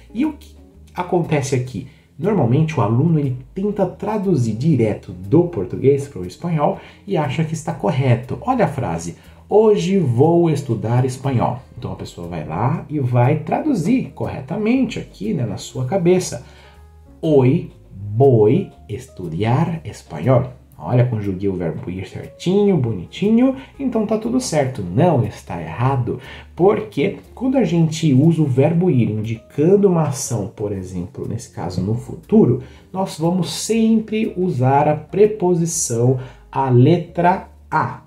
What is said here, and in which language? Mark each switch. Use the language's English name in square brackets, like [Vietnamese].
[Portuguese] E o que acontece aqui? Normalmente o aluno ele tenta traduzir direto do português para o espanhol e acha que está correto. Olha a frase: hoje vou estudar espanhol. Então a pessoa vai lá e vai traduzir corretamente aqui, né, na sua cabeça. [Spanish] Hoy voy estudiar español. [Portuguese] Olha, conjuguei o verbo ir certinho, bonitinho, então tá tudo certo, não está errado. Porque quando a gente usa o verbo ir indicando uma ação, por exemplo, nesse caso no futuro, nós vamos sempre usar a preposição a letra A.